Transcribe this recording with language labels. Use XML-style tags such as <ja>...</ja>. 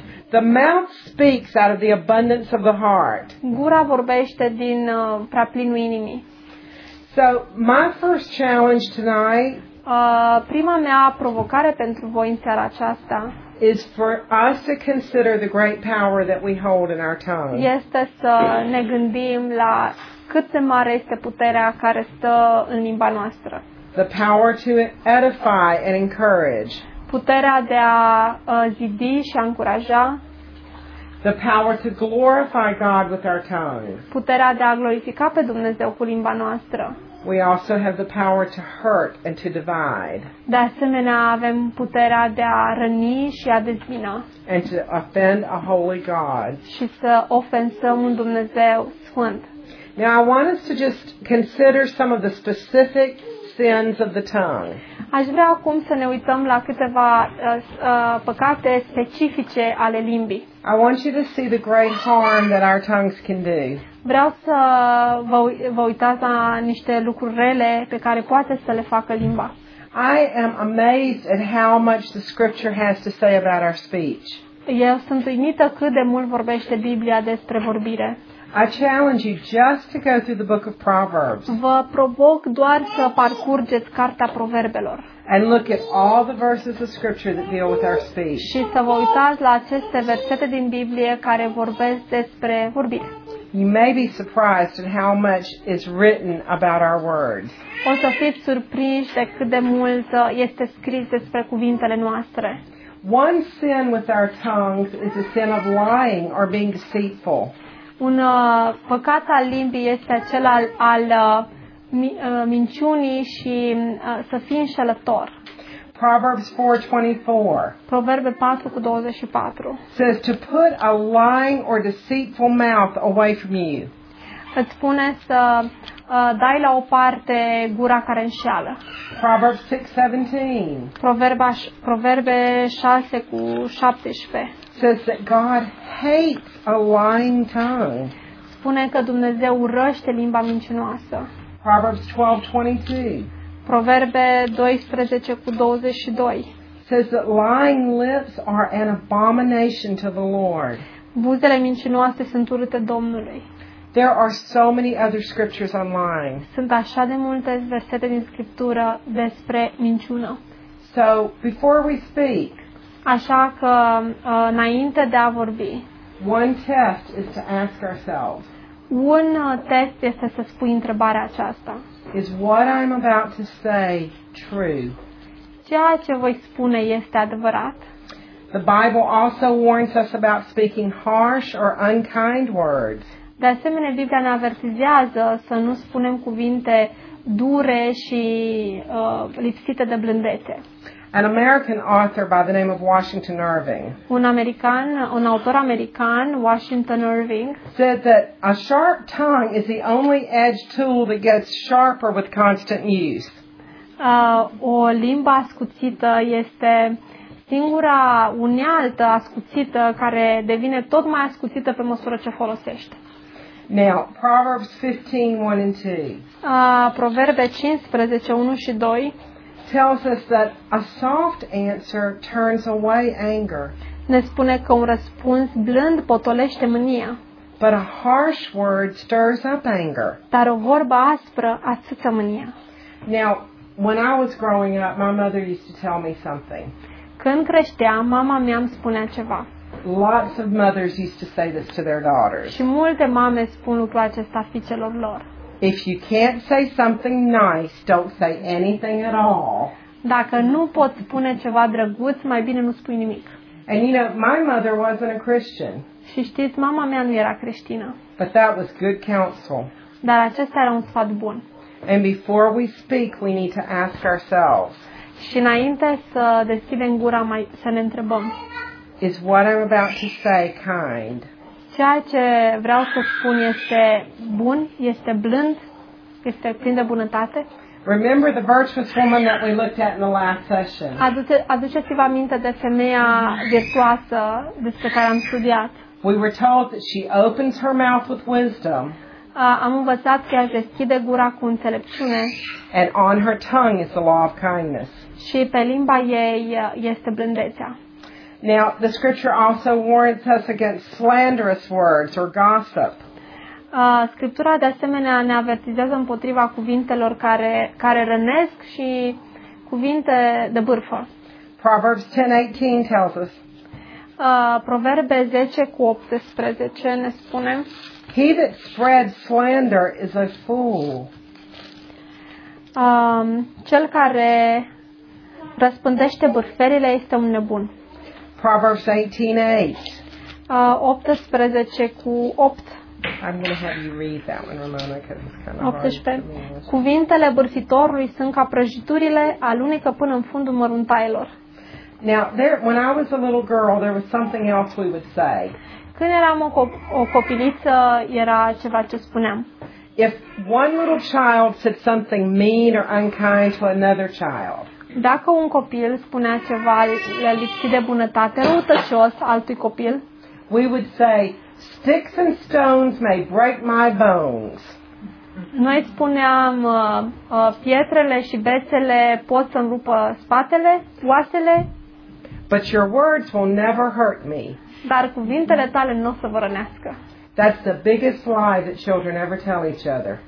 <en>The mouth speaks out of the abundance of the heart.</en> <ro>Gura vorbește din prea plinul inimii.</ro> <en>So, my first challenge tonight,</en> <ro>prima mea provocare pentru voi în seara aceasta,</ro> <en>is for us to consider the great power that we hold in our tongue.</en> <ro>Este să ne gândim la cât de mare este puterea care stă în limba noastră.</ro> <en>The power to edify and encourage.</en> <ro>Puterea de a zidi și a încuraja.</ro> <en>The power to glorify God with our tongue.</en> <ro>Puterea de a glorifica pe Dumnezeu cu limba noastră.</ro> <en>We also have the power to hurt and to divide.</en> <ro>De asemenea, avem puterea de a răni și a dezbina.</ro> <en>And to offend a holy God.</en> <ro>Și să ofensăm un Dumnezeu sfânt.</ro> <en>Now I want us to just consider some of the specific sins of the tongue.</en> <ro>Aș vrea acum să ne uităm la câteva păcate specifice ale limbii.</ro> <en>I want you to see the great harm that our tongues can do.</en> <ro>Vreau să vă uitați la niște lucruri rele pe care poate să le facă limba.</ro> <en>I am amazed at how much the scripture has to say about our speech.</en> <ro>Eu sunt uimită cât de mult vorbește Biblia despre vorbire.</ro> <en>I challenge you just to go through the book of Proverbs.</en> <ro>Vă provoc doar să parcurgeți cartea Proverbelor.</ro> <en>And look at all the verses of scripture that deal with our speech.</en> <ro>Și să vă uitați la aceste versete din Biblie care vorbesc despre vorbire.</ro> <en>You may be surprised at how much is written about our words.</en> <ro>O să fiți surprinși de cât de mult este scris despre cuvintele noastre.</ro> <en>One sin with our tongues is a sin of lying or being deceitful.</en> <ro>Un păcat al limbii este cel al minciunii și să fii înșelător.</ro> <en>Proverbs 4:24.</en> <ro>Proverbe 4:24.</ro> <en>Says to put a lying or deceitful mouth away from you.</en> <ro>Îți spune să dai la o parte gura care înșeală.</ro> <en>Proverbs 6:17.</en> <ro>Proverbe 6:17.</ro> <en>Says that God hates a lying tongue.</en> <ro>Spune că Dumnezeu urăște limba mincinoasă.</ro> <en>Proverbs 12:22.</en> <ro>Proverbe 12:22.</ro> <en>Says that lying lips are an abomination to the Lord.</en> <ro>Buzele mincinoase sunt urâte Domnului.</ro> <en>There are so many other scriptures on lying.</en> <ro>Sunt așa de multe versete din scriptură despre minciună.</ro> <en>So, before we speak,</en> <ro>așa că înainte de a vorbi,</ro> <en>one test is to ask ourselves.</en> <ro>Un test este să spui întrebarea aceasta.</ro> <en>Is what I'm about to say true?</en> <ro>Ceea ce voi spune este adevărat?</ro> <en>The Bible also warns us about speaking harsh or unkind words.</en> <ro>De asemenea, Biblia ne avertizează să nu spunem cuvinte dure și lipsite de blândețe.</ro> <en>an American author by the name of Washington Irving.</en> <ro>Un autor american, Washington Irving,</ro> <en>said that a sharp tongue is the only edged tool that gets sharper with constant use.</en> <ro>O limbă ascuțită este singura unealtă ascuțită care devine tot mai ascuțită pe măsură ce folosești.</ro> <en>Now, Proverbs 15:1-2.</en> <ro>Proverbe 15:1-2.</ro> <en>Tells us that a soft answer turns away anger.</en> <ro>Ne spune că un răspuns blând potolește mânia.</ro> <en>But a harsh word stirs up anger.</en> <ro>Dar o vorbă aspră atâță mânia.</ro> <en>Now, when I was growing up, my mother used to tell me something.</en> <ro>Când creșteam, mama mea îmi spunea ceva.</ro> <en>Lots of mothers used to say this to their daughters.</en> <ro>Și multe mame spun lucrul acesta fiicelor lor.</ro> <en>If you can't say something nice, don't say anything at all.</en> <ro>Dacă nu poți spune ceva drăguț, mai bine nu spui nimic.</ro> <en>And you know, my mother wasn't a Christian.</en> <ro>Și știți, mama mea nu era creștină.</ro> <en>But that was good counsel.</en> <ro>Dar acesta era un sfat bun.</ro> <en>And before we speak, we need to ask ourselves.</en> <ro>Și înainte să deschidem gura, mai să ne întrebăm.</ro> <en>Is what I'm about to say kind?</en> <ro>Ceea ce vreau să spun este bun, este blând, este plin de bunătate.</ro> <en>Remember the virtuous woman that we looked at in the last session.</en> <ro>Aduceți-vă aminte de femeia virtuoasă despre care am studiat.</ro> <en>We were told that she opens her mouth with wisdom.</en> <ro>Am învățat că ea deschide gura cu înțelepciune.</ro> <en>And on her tongue is the law of kindness.</en> <ro>Și pe limba ei este blândețea.</ro> <en>Now, the scripture also warns us against slanderous words or gossip.</en> <ro>Scriptura de asemenea ne avertizează împotriva cuvintelor care rănesc și cuvinte de bârfă.</ro> <en>Proverbs 10:18 tells us.</en> <ro>Proverbe 10:18 ne spune.</ro> <en>He that spreads slander is a fool.</en> <ro>Cel care răspândește bârferile este un nebun.</ro> <en>Proverbs 18:8.</en> <ro>18:8.</ro> <en>I'm going to have you read that one, Ramona, because it's kind of</en> <ro>18.</ro> <en>Hard.</en> <ro>Cuvintele bârfitorului sunt ca prăjiturile, alunecă până în fundul măruntaielor.</ro> <en>Now, when I was a little girl, there was something else we would say.</en> <ro>Când eram o copiliță, era ceva ce spuneam.</ro> <en>If one little child said something mean or unkind to another child.</en> <ro>Dacă un copil spunea ceva lipsit de bunătate, răutăcios altui copil,</ro> <en>we would say, sticks and stones may break my bones.</en> <ro>Noi spuneam, pietrele și bețele pot să-mi rupă spatele, oasele.</ro> <en>But your words will never hurt me.</en> <ro>Dar cuvintele tale nu o să vă rănească.</ro> <en>That's the biggest lie that children ever tell each other.</en>